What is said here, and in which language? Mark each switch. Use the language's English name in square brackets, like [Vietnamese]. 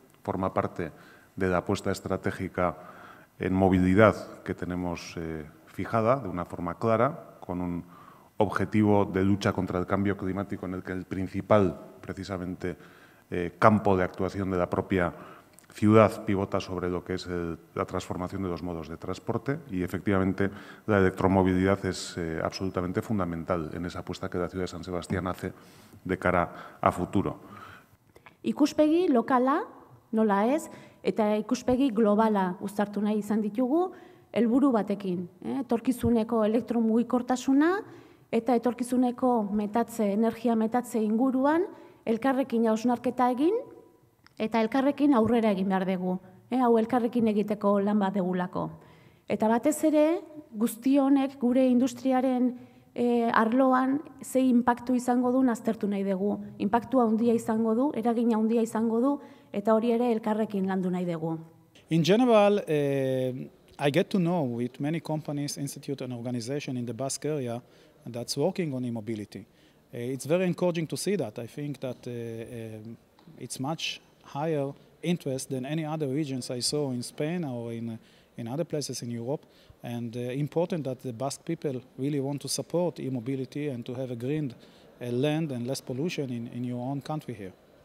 [Spanish] Forma parte de la apuesta estratégica en movilidad que tenemos fijada de una forma clara, con un objetivo de lucha contra el cambio climático en el que el principal, precisamente, campo de actuación de la propia ciudad pivota sobre lo que es la transformación de los modos de transporte y, efectivamente, la electromovilidad es absolutamente fundamental en esa apuesta que la ciudad de San Sebastián hace de cara a futuro. [Basque] Ikuspegi lokala, nola ez, eta ikuspegi globala uztartu nahi izan ditugu helburu batekin. Etorkizuneko elektromugikortasuna eta etorkizuneko energia metatze inguruan elkarrekin hausnarketa egin, eta elkarrekin aurrera egin behar dugu, hau elkarrekin egiteko lan bat degulako. Eta batez ere, guzti honek gure industriaren arloan ze inpaktu izango du aztertu nahi dugu. Inpaktua handia izango du, eragina handia izango du, eta hori ere elkarrekin landu nahi dugu. [English] In general, I get to know with many companies, institutes and organizations in the Basque area that's working on e-mobility. It's very encouraging to see that. I think that it's much higher interest than any other regions I saw in Spain or in other places in Europe, and important that the Basque people really want to support e-mobility and to have a green land and less pollution in your own country here.